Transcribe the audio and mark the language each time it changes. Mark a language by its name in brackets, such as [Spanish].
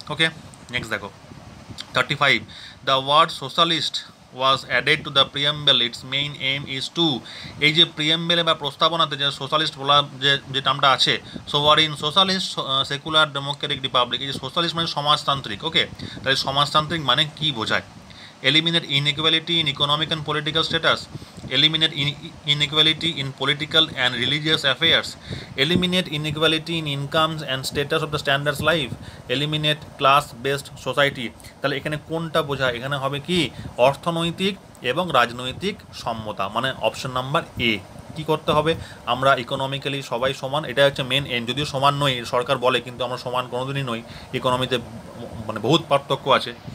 [English] okay, [Bangla] next দেখো, [English] 35, the word socialist was added to the preamble, its main aim is to. [Bangla] এই যে প্রিয়েম্বেলে বা প্রস্তাবনাতে যে সোশ্যালিস্ট বলা যে টার্মটা আছে, sovereign socialist secular Democratic Republic, এই যে সোশ্যালিস্ট মানে সমাজতান্ত্রিক. [English] okay, [Bangla] তাহলে সমাজতান্ত্রিক মানে কী বোঝায়, [English] Eliminate inequality in economic and political status, eliminate inequality in political and religious affairs, eliminate inequality in incomes and status of the standards life, eliminate class-based society. [Bangla] তাহলে এখানে কোনটা বোঝা, এখানে হবে কি অর্থনৈতিক এবং রাজনৈতিক সমতা, মানে অপশন নাম্বার এ। কি করতে হবে, আমরা ইকোনমিক্যালি সবাই সমান, এটাই হচ্ছে মেন এন। যদিও সমান নই সরকার বলে, কিন্তু আমরা সমান কোনোদিনই নই ইকোনমিতে, মানে বহুত পার্থক্য আছে।